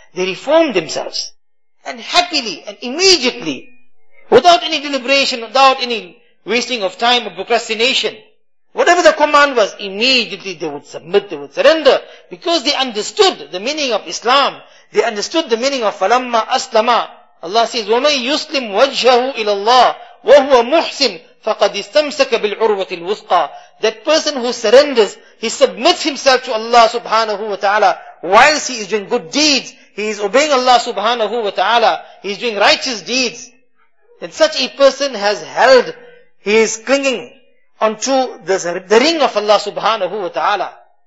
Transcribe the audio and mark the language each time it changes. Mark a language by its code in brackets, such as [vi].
[en] They reformed themselves. And happily and immediately, without any deliberation, without any wasting of time or procrastination, whatever the command was, immediately they would submit, they would surrender. Because they understood the meaning of Islam. They understood the meaning of [ar] فَلَمَّا أَسْلَمَا. [en] Allah says, [ar] وَمَنْ يُسْلِمْ وَجْهَهُ إِلَى اللَّهِ وَهُوَ مُحْسِنْ فَقَدْ إِسْتَمْسَكَ بِالْعُرْوَةِ الْوُثْقَى. [en] That person who surrenders, he submits himself to Allah subhanahu wa ta'ala, whilst he is doing good deeds, he is obeying Allah subhanahu wa ta'ala, he is doing righteous deeds, then such a person has held, he is clinging onto the ring of Allah subhanahu wa ta'ala.